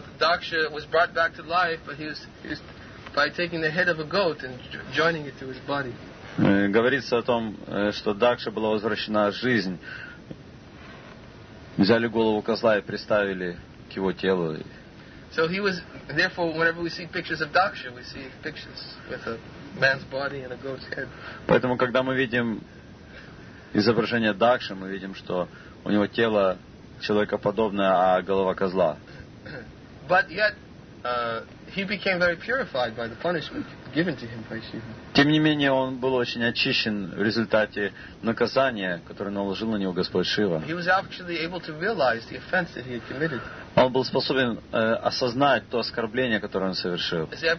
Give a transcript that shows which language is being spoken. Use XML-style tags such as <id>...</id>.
<en>Дакша was brought back to life, but he was by taking the head of a goat and joining it to his body.</en> <ru>Говорится о том, что Дакша была возвращена жизнь. Взяли голову козла и приставили к его телу.</ru> <en>So he was, therefore, whenever we see pictures of Daksha, we see pictures with a man's body and a goat's head.</en> <ru>Поэтому, когда мы видим изображение Дакши, мы видим, что у него тело человекоподобное, а голова козла.</ru> <en>But yet, he became very purified by the punishment given to him by Shiva.</en> <ru>Тем не менее, он был очень очищен в результате наказания, которое наложил на него Господь Шива.</ru> <en>He was actually able to realize the offense that he had committed.</en> <ru>Он был способен осознать то оскорбление, которое он совершил.</ru>